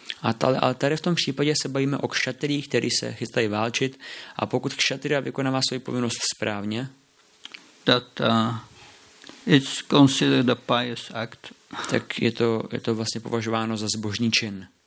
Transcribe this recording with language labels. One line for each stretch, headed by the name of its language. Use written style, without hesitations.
Czech: Ale tady v tom případě se bavíme o kšatrii, který se chystají válčit, a pokud kšatria vykonává svoji povinnost správně,
English: that it's considered a pious act.
Czech: Tak je to vlastně považováno za zbožný čin.